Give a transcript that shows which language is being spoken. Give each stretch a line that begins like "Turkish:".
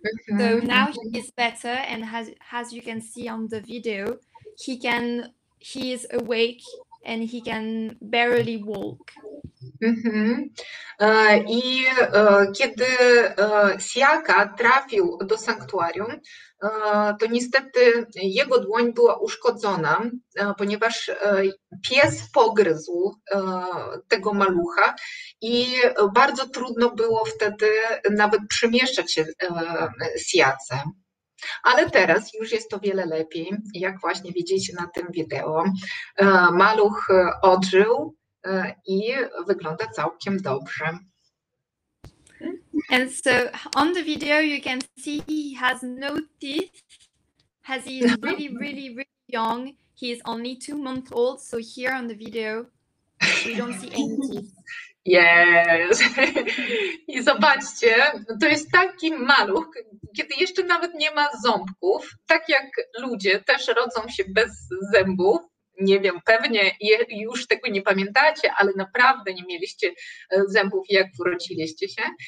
English: So now he is better, and as you can see on the video, he is awake and he can barely walk. Mm-hmm.
Polish: I kiedy Siaka trafił do sanktuarium, to niestety jego dłoń była uszkodzona, ponieważ pies pogryzł tego malucha i bardzo trudno było wtedy nawet przemieszczać się Siace. Ale teraz już jest to wiele lepiej, jak właśnie widzicie na tym wideo. Maluch odżył i wygląda całkiem dobrze.
English: And so on the video you can see he has no teeth, as he is really, really, really young. He is only 2 months old, so here on the video we don't see any teeth. Yes.
Polish: I zobaczcie, to jest taki maluch, kiedy jeszcze nawet nie ma ząbków, tak jak ludzie też rodzą się bez zębów. Nie wiem, pewnie już tego nie pamiętacie, ale naprawdę nie mieliście zębów, jak urodziliście się.